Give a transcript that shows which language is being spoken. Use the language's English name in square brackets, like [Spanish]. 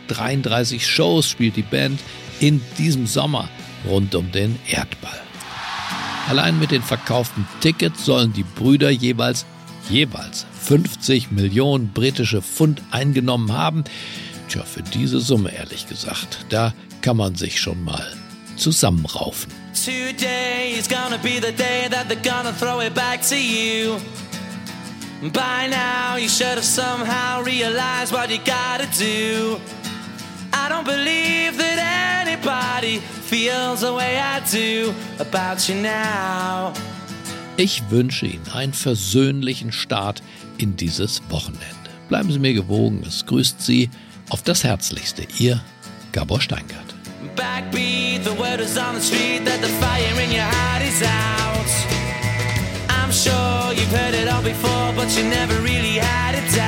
[German] 33 Shows spielt die Band in diesem Sommer rund um den Erdball. Allein mit den verkauften Tickets sollen die Brüder jeweils 50 Millionen britische Pfund eingenommen haben. Tja, für diese Summe, ehrlich gesagt, da kann man sich schon mal zusammenraufen. [English] Today is gonna be the day that they're gonna throw it back to you. By now you should have somehow realized what you gotta do. I don't believe that anybody feels the way I do about you now. [German] Ich wünsche Ihnen einen versöhnlichen Start in dieses Wochenende. Bleiben Sie mir gewogen, es grüßt Sie auf das Herzlichste, Ihr Gabor Steingart. [English] Backbeat, the word is on the street that the fire in your heart is out. I'm sure you've heard it all before, but you never really had it